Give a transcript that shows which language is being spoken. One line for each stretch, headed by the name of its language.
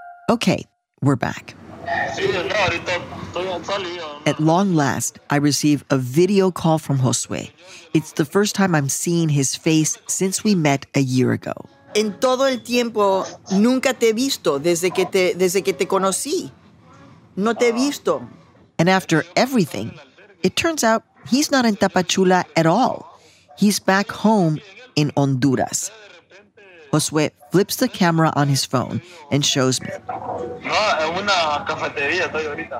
English: Okay, we're back. At long last, I receive a video call from Josue. It's the first time I'm seeing his face since we met a year ago.
Spanish: En todo el tiempo, nunca te he visto desde que te conocí. No te he visto.
English: And after everything, it turns out he's not in Tapachula at all. He's back home in Honduras. Josue flips the camera on his phone and shows me.
Spanish: No, en una cafetería estoy ahorita.